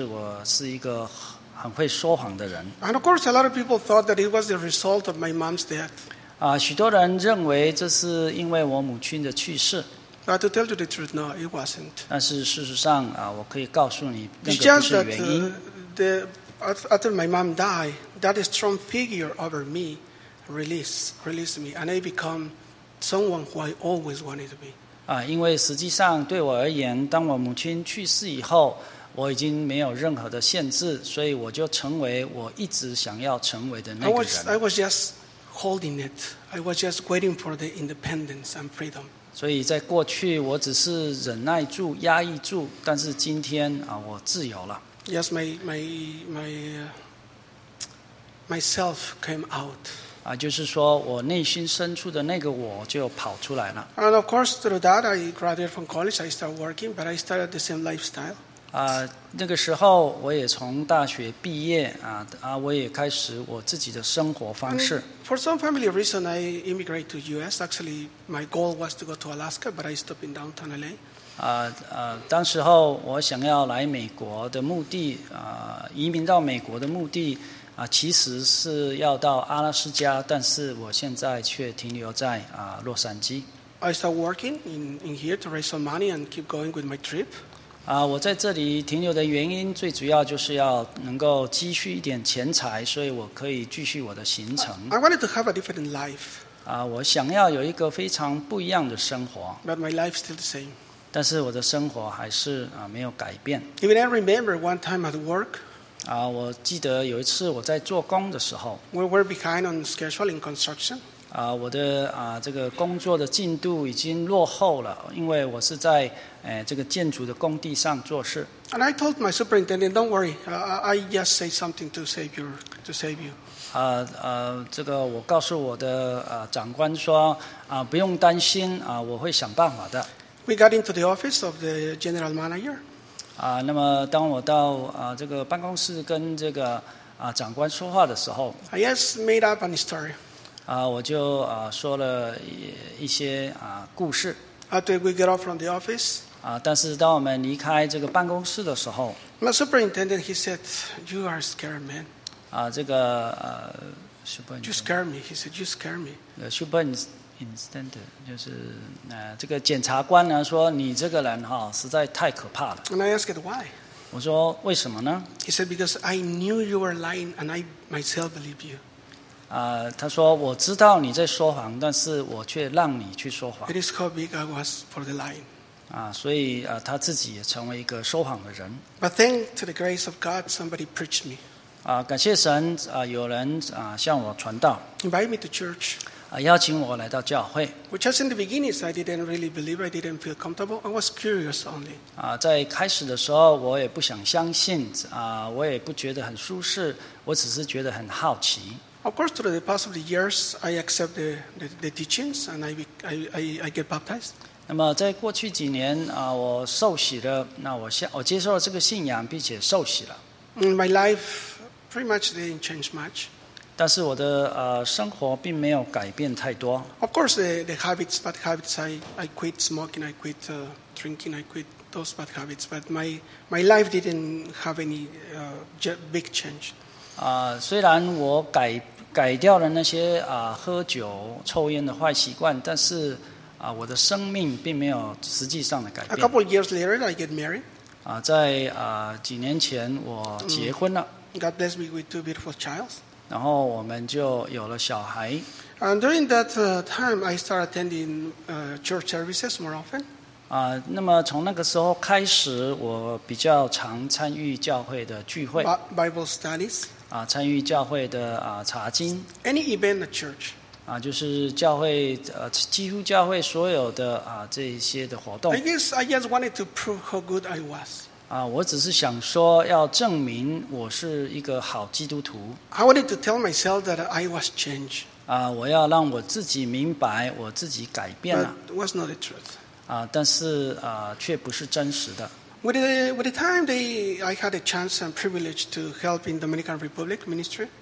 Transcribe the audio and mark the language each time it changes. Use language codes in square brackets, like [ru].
[zh] 那么最可怕的事情就是我是一个很会说谎的人。 [en] And of course, a lot of people thought that it was the result of my mom's death. [zh] 许多人认为这是因为我母亲的去世。 [en] But to tell you the truth, no, it wasn't. [zh] 但是事实上, 我可以告诉你那个不是原因。 [en] After my mom died, that strong figure over me released me, and I become someone who I always wanted to be. [zh] 因为实际上对我而言，当我母亲去世以后，我已经没有任何的限制，所以我就成为我一直想要成为的那个人。 [en] I was just holding it. I was just waiting for the independence and freedom. [zh] 所以在过去我只是忍耐住压抑住，但是今天啊，我自由了。 [en] Yes, myself came out. [zh] 啊，就是说我内心深处的那个我就跑出来了。 [en] And of course, through that, I graduated from college. I started working, but I started the same lifestyle. [zh] 那个时候我也从大学毕业我也开始我自己的生活方式。 [en] And、for some family reason, I immigrated to U.S. Actually, my goal was to go to Alaska, but I stopped in downtown L.A. [zh] 当时候我想要来美国的目的移民到美国的目的其实是要到阿拉斯加，但是我现在却停留在洛杉矶。 [en] I started working in here to raise some money and keep going with my trip. [zh] 我在这里停留的原因最主要就是要能够积蓄一点钱财，所以我可以继续我的行程。 [en] I wanted to have a different life. [zh] 我想要有一个非常不一样的生活。 [en] But my life is still the same. [zh] 但是我的生活还是没有改变。 [en] Even I remember one time at work. [zh] 我记得有一次我在做工的时候。 [en] We were behind on schedule in construction. [zh] 我的这个工作的进度已经落后了，因为我是在这个建筑的工地上做事。 [en] And I told my superintendent, "Don't worry, I just say something to save you, to save you." [zh] 这个我告诉我的长官说不用担心我会想办法的。 [en] We got into the office of the general manager. [zh] 那么当我到这个办公室跟这个长官说话的时候 [en] ，I just made up a story. [zh] 我就说了一些故事。 [en] After we get off from the office. [zh] 但是当我们离开这个办公室的时候 [en] ，My superintendent he said, "You are scared, man." [zh] 这个superintendent. [en] You scare me, he said. You scare me. [zh] The superintendent 就是这个检察官呢说你这个人哈实在太可怕了。 [en] And I asked why. [zh] 我说为什么呢 [en] ？He said, "Because I knew you were lying, and I myself believe you." [zh] 他说我知道你在说谎，但是我却让你去说谎。 [en] It is how big I was for the lying. [zh] 所以他自己也成为一个说谎的人。 [en] But thank to the grace of God, somebody preached me. [zh] 感谢神有人向我传道。 [en] Invite me to church. [zh] 邀请我来到教会。 [en] Which was in the beginning, I didn't really believe, I didn't feel comfortable, I was curious only. [zh] 在开始的时候，我也不想相信我也不觉得很舒适，我只是觉得很好奇。 [en] Of course, through the past of the years, I accept the teachings and I get baptized. [zh] 那么在过去几年我受洗了，那我接受了这个信仰，并且受洗了。 [en] My life pretty much didn't change much. [zh] 但是我的生活并没有改变太多。 [en] Of course, the habits, bad habits, I quit smoking, I quit drinking, I quit those bad habits. But my life didn't have any big change. [zh] 虽然我改掉了那些喝酒抽烟的坏习惯，但是我的生命并没有实际上的改变。 [en] A couple of years later, I get married. [zh] 在几年前我结婚了。 [en] God bless me with two beautiful children. [zh] 然后我们就有了小孩。 [en] And during that time, I start attending church services more often. [zh] 那么从那个时候开始，我比较常参与教会的聚会。 [en] Bible studies. [zh] 参与教会的查经。 [en] Any event at church. [zh] 就是教会几乎教会所有的这些的活动。 [en] I guess I just wanted to prove how good I was. [zh] 我只是想说要证明我是一个好基督徒。 [en] I wanted to tell myself that I was changed. [zh] 我要让我自己明白我自己改变了。 [en] But it was not the truth. [zh] 但是却不是真实的。 [en] With the time they, I had a chance and privilege to help in Dominican Republic ministry.